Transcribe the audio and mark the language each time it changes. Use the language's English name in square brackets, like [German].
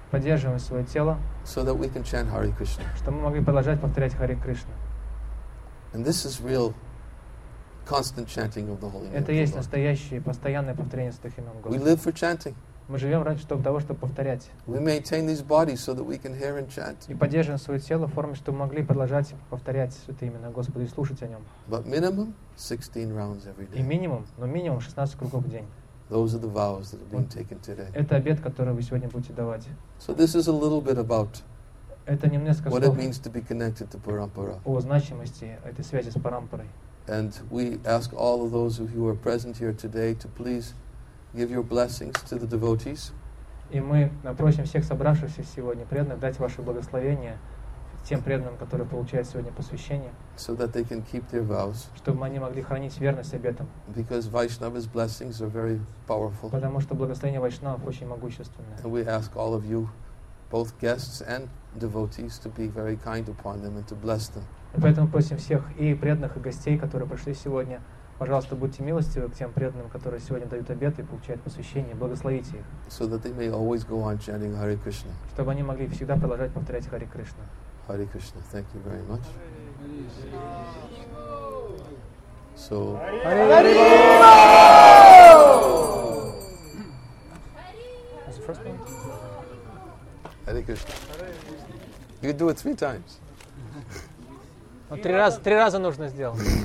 [Russian] Поддерживаем свое тело. [English] So that we can chant Hare Krishna. [Russian] Чтобы мы могли продолжать повторять Hare Krishna. [English] And this is real. Constant chanting of the holy name. [Russian] Это есть настоящее постоянное повторение святых имен Господа. [English] We live for chanting. [Russian] Мы живем ради того, чтобы повторять. [English] We maintain these bodies so that we can hear and chant. [Russian] И поддерживаем свое тело в форме, чтобы могли продолжать повторять святые имена Господа и слушать о нем. [English] But minimum 16 rounds every day. [Russian] И минимум, но минимум 16 кругов в день. [English] Those are the vows that have been taken today. [Russian] Это обет, который вы сегодня будете давать. [English] So this is a little bit about. [Russian] Это немножко [English] what it means to be connected to Parampara. [Russian] О значимости этой связи с Парампарой. [English] And we ask all of those of you who are present here today to please give your blessings to the devotees. [Russian] И мы просим всех собравшихся сегодня преданных дать ваше благословение тем преданным, которые получают сегодня посвящение. [English] So that they can keep their vows. [Russian] Чтобы они могли хранить верность обетам. [English] Because Vaishnava's blessings are very powerful. [Russian] Потому что благословение Вайшнавов очень могущественное. [English] And we ask all of you, both guests and devotees, to be very kind upon them and to bless them. [Russian] Поэтому просим всех и преданных, и гостей, которые пришли сегодня, пожалуйста, будьте милостивы к тем преданным, которые сегодня дают обет и получают посвящение, благословите их. [English] So that they may always go on chanting Hare Krishna. [Russian] Чтобы они могли всегда продолжать повторять Hare Krishna. [English] Hare Krishna, thank you very much. So, Hare Krishna! That's the first one. Hare Krishna. You can do it three times. [Russian] Ну, три раза нужно сделать.